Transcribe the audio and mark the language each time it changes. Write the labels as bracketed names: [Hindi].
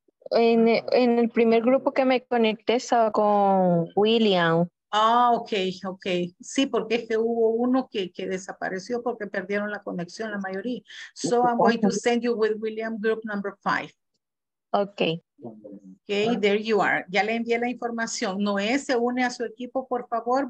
[Spanish] En el primer grupo que me conecté estaba con William. Ah, ok. Sí, porque es que hubo uno que desapareció porque perdieron la conexión, la mayoría. [English] So I'm going to send you with William, group number 5. Ok. Ok, there you are. [Spanish] Ya le envié la información. Noé, se une a su equipo, por favor.